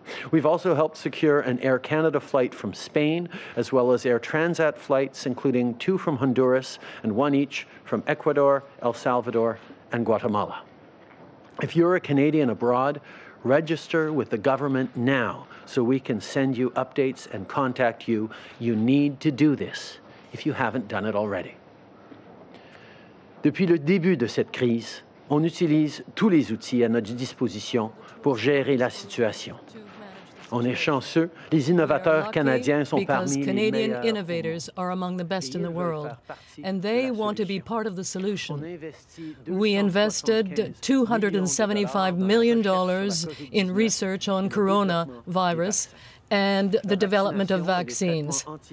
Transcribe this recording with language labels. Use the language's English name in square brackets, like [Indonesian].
[English] We've also helped secure an Air Canada flight from Spain, as well as Air Transat flights, including 2 from Honduras and 1 each from Ecuador, El Salvador, and Guatemala. If you're a Canadian abroad, register with the government now so we can send you updates and contact you. You need to do this if you haven't done it already. [French] Depuis le début de cette crise, on utilise tous les outils à notre disposition pour gérer la situation. On est chanceux, les innovateurs canadiens sont parmi les meilleurs. [English] Canadian innovators are among the best in the world, and they want to be part of the solution. We invested $275 million in research on coronavirus and the development of vaccines.